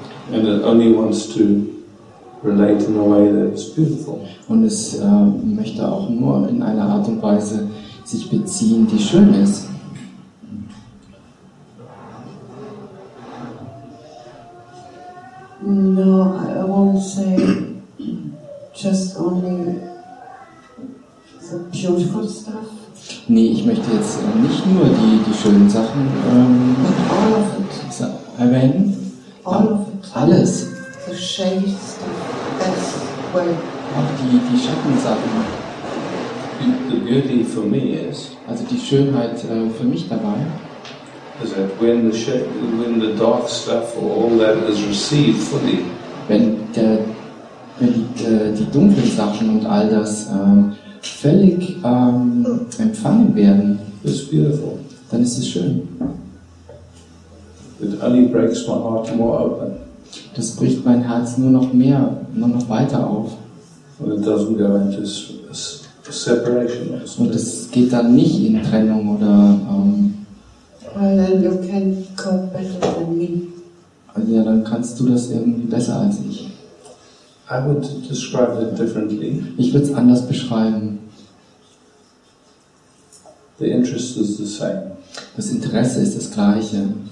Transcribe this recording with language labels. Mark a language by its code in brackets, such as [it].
[en] And it only wants to relate in a way that is beautiful. [de] Und es möchte auch nur in einer Art und Weise sich beziehen, die schön ist. [en] No, I won't say just only the beautiful stuff. [de] Nee, ich möchte jetzt nicht nur die schönen Sachen [en] all of it. [de] Erwähnen. [en] All of it. [de] Alles. [en] The shades, the best way. [de] Auch die Schattensachen. [en] The beauty for me is. [de] Also die Schönheit für mich dabei. [en] Is that when the shape, when the dark stuff or all that is received fully? [de] Wenn die dunklen Sachen und all das völlig empfangen werden, [en] it's beautiful. [de] Dann ist es schön. [en] It only breaks my heart more open. [de] Das bricht mein Herz nur noch mehr, nur noch weiter auf. [en] And it doesn't go into separation. [de] Und es geht dann nicht in Trennung oder [en] well, then you can cope better than me. [de] Also, ja, dann kannst du das irgendwie besser als ich. [en] I would describe it differently. [de] Ich würde es anders beschreiben. [en] The interest is the same. [de] Das Interesse ist das gleiche.